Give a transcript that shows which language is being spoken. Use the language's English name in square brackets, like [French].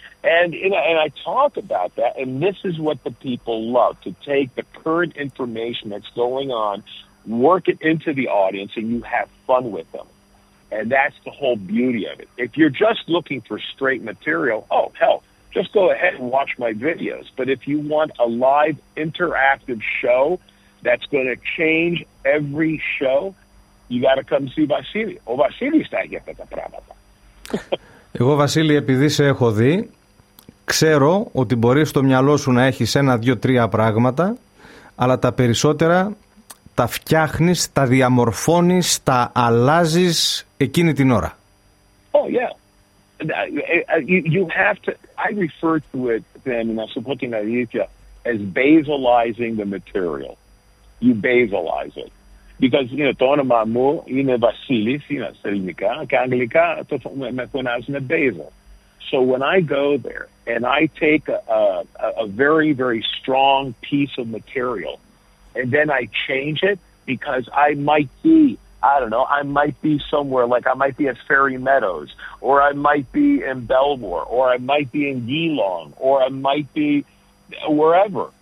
[English] And I talk about that, and this is what the people love, to take the current information that's going on, work it into the audience, and you have fun with them. And that's the whole beauty of it. If you're just looking for straight material, oh, hell, just go ahead and watch my videos. But if you want a live, interactive show that's going to change every show, you got to come see Vasily. [Greek] Ο Βασίλης θα έχει αυτά τα πράγματα. Εγώ, Βασίλη, επειδή σε έχω δει, Ξέρω ότι μπορεί στο μυαλό σου να έχεις ένα, δύο, τρία πράγματα, αλλά τα περισσότερα τα φτιάχνεις, τα διαμορφώνεις, τα αλλάζεις εκείνη την ώρα. [English] Oh, yeah. You have to, I refer to it then, in Asupotina Yitya, as basalizing the material. You basalize it. [Greek] Because, you know, το όνομα μου είναι Βασίλης, είναι στα ελληνικά, και αγγλικά το φωνάζουν basal. [English] So when I go there and I take a very, very strong piece of material and then I change it because I might be, I don't know, I might be somewhere, like I might be at Fairy Meadows, or I might be in Belmore, or I might be in Geelong, or I might be wherever.